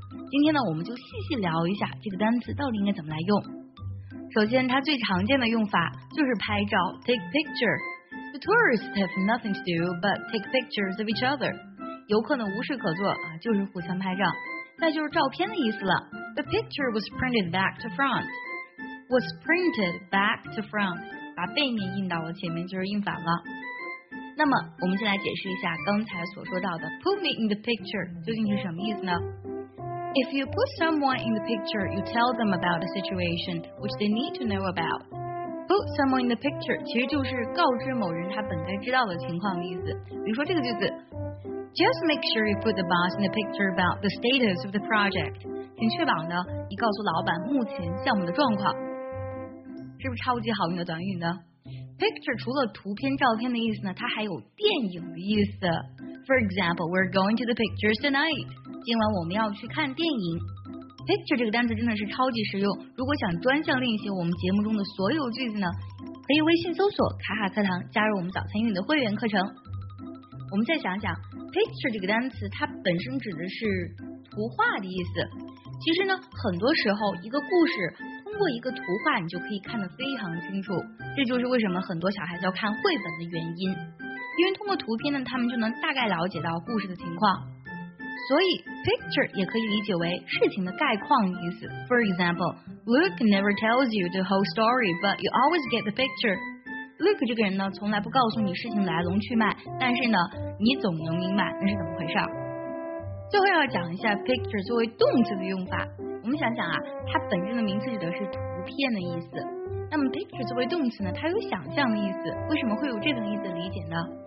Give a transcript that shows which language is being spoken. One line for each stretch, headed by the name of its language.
Chinese: 今天呢我们就细细聊一下这个单词到底应该怎么来用。首先它最常见的用法就是拍照
English: take picture。 The tourists have nothing to do but take pictures of each other.
Chinese: 游客呢无事可做啊，就是互相拍照，那就是照片的意思了。
English: The picture was printed back to front. Was printed back to front.
Chinese: 把背面印到了前面就是印反了。那么我们先来解释一下刚才所说到的
English: put me in the picture
Chinese: 究竟是什么意思呢？
English: If you put someone in the picture, you tell them about a situation which they need to know about. Put someone in the picture
Chinese: 其实就是告知某人他本该知道的情况的意思。比如说这个句子
English: Just make sure you put the boss in the picture about the status of the project.
Chinese: 请确保呢你告诉老板目前项目的状况。是不是超级好用的短语呢？ Picture 除了图片照片的意思呢，它还有电影的意思。
English: For example, we're going to the pictures tonight.
Chinese: 今晚我们要去看电影。 Picture 这个单词真的是超级实用，如果想专项练习我们节目中的所有句子呢，可以微信搜索卡卡课堂加入我们早餐英语的会员课程。我们再想想 Picture 这个单词它本身指的是图画的意思，其实呢很多时候一个故事通过一个图画你就可以看得非常清楚，这就是为什么很多小孩子要看绘本的原因，因为通过图片呢他们就能大概了解到故事的情况。所以 picture 也可以理解为事情的概况意思。
English: For example, Luke never tells you the whole story, but you always get the picture.
Chinese: Luke 这个人呢从来不告诉你事情来龙去脉，但是呢你总能明白那是怎么回事。最后要讲一下 picture 作为动词的用法，我们想想啊，它本身的名词指的是图片的意思，那么 picture 作为动词呢它有想象的意思，为什么会有这个意思理解呢？